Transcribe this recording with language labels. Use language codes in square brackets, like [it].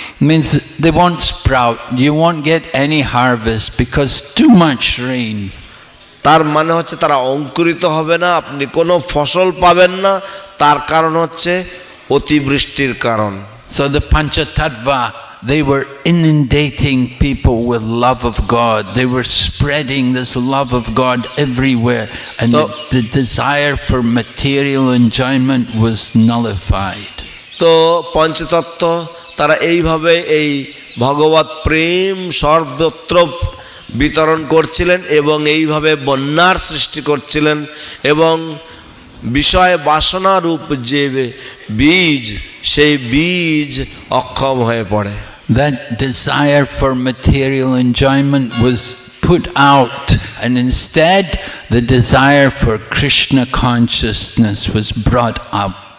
[en] means they won't sprout you won't get any harvest because too much rain [bn] তার মানে হচ্ছে তারা অঙ্কুরিত হবে না আপনি কোনো ফসল পাবেন না তার কারণ হচ্ছে অতিবৃষ্টির কারণ [en] so the panchatattva They were inundating people with love of God. They were spreading this love of God everywhere. And so, the desire for material enjoyment was nullified. [bn] So, panchatattva, tara ei bhabe ei ভগবত প্রেম সর্বত্র বিতরণ করছিলেন এবং এইভাবে বন্যার সৃষ্টি করছিলেন এবং বিষয় বাসনা রূপ যে বীজ সেই বীজ অক্ষম হয়ে পড়ে. [en] That desire for material enjoyment was put out, and instead the desire for Krishna consciousness was brought up.